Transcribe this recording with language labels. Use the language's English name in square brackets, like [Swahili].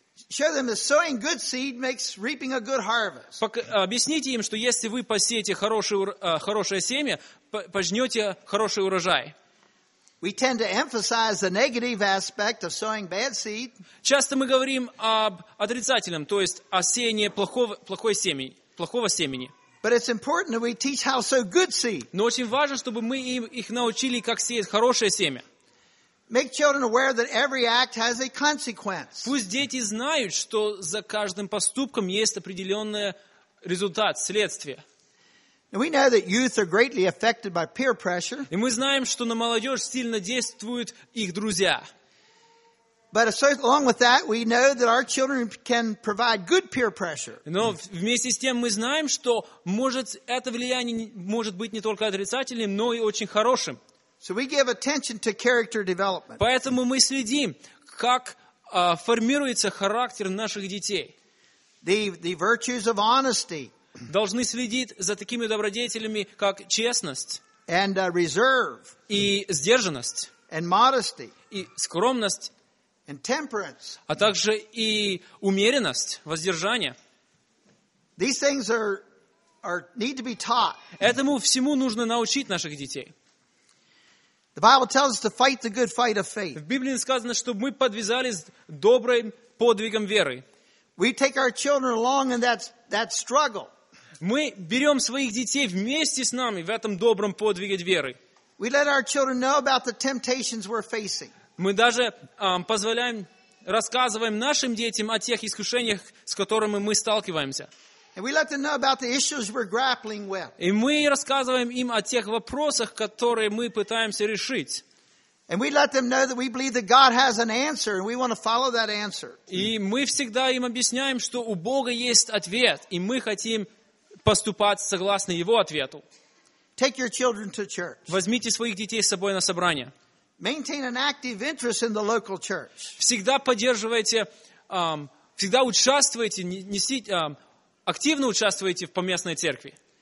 [English] Show them that sowing good seed makes reaping a good harvest. [Russian] Объясните им, что если вы посеете хорошее семя, пожнете хороший урожай. [English] We tend to emphasize the negative aspect of sowing bad seed. [Russian] Часто мы говорим об отрицательном, то есть о сеянии плохого семени. [English] But it's important that we teach how to sow good seed. [Russian] Но очень важно, чтобы мы их научили, как сеять хорошее семя. [English] Make children aware that every act has a consequence. [Russian] Пусть дети знают, что за каждым поступком есть определенный результат, следствие. [English] We know that youth are greatly affected by peer pressure. [Russian] И мы знаем, что на молодежь сильно действуют их друзья. [English] But along with that, we know that our children can provide good peer pressure. [Russian] Но вместе с тем мы знаем, что может это влияние может быть не только отрицательным, но и очень хорошим. [English] So we give attention to character development. [Russian] Поэтому мы следим, как формируется характер наших детей. [English] the virtues of honesty. [Russian] Должны следить за такими добродетелями, как честность. [English] And reserve. [Russian] И сдержанность. [English] And modesty. [Russian] И скромность. [English] And temperance. [Russian] А также и умеренность, воздержание. [English] These things are need to be taught. [Russian] Этому всему нужно научить наших детей. [English] The Bible tells us to fight the good fight of faith. [Russian] В Библии сказано, чтобы мы подвязались добрым подвигом веры. [English] We take our children along in that struggle. [Russian] Мы берем своих детей вместе с нами в этом добром подвиге веры. [English] We let our children know about the temptations we're facing. [Russian] Мы даже позволяем, рассказываем нашим детям о тех искушениях, с которыми мы сталкиваемся. [English] And we let them know about the issues we're grappling with. [Russian] И мы рассказываем им о тех вопросах, которые мы пытаемся решить. [English] And we let them know that we believe that God has an answer, and we want to follow that answer. [Russian] И мы всегда им объясняем, что у Бога есть ответ, и мы хотим поступать согласно Его ответу. [English] Take your children to church. [Russian] Возьмите своих детей с собой на собрание. [English] Maintain an active interest in the local church. [Russian] Всегда поддерживайте, всегда участвуйте, активно участвуйте в поместной церкви.